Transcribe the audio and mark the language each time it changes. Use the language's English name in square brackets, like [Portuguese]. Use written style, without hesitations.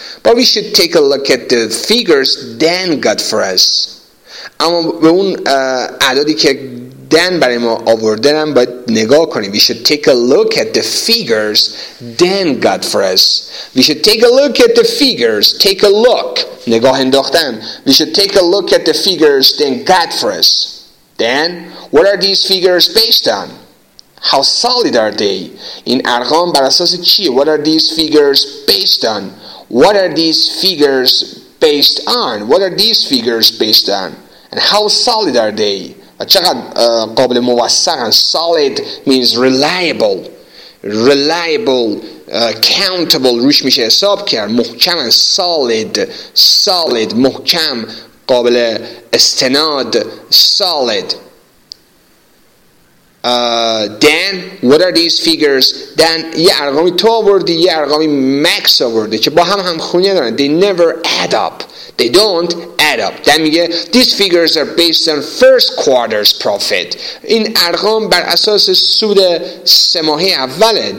[English] But we should take a look at the figures Dan got for us. [Persian] اما به اون عددی که Dan برای ما آورده هم باید نگاه کنیم. [English] We should take a look at the figures Dan got for us. We should take a look at the figures. Take a look. [Persian] نگاه انداختن. [English] We should take a look at the figures Dan got for us. Dan, what are these figures based on? How solid are they? [Persian] این ارقام بر اساس چیه؟ [English] What are these figures based on? What are these figures based on? What are these figures based on? And how solid are they? [Persian] چقدر قابل موثقن. [English] Solid means reliable. Reliable, countable. [Persian] روش میشه حساب کرد. محکمن. Solid. Solid. محکم. قابل استناد. Solid. [English] Dan, what are these figures? Dan, [Persian] یه ارقامی تو آوردی. یه ارقامی Max آورده. چه با هم خونه دارن. [English] They never add up. They don't add up. Dan میگه these figures are based on first quarter's profit. [Persian] این ارقام بر اساس سود سه ماهه اوله.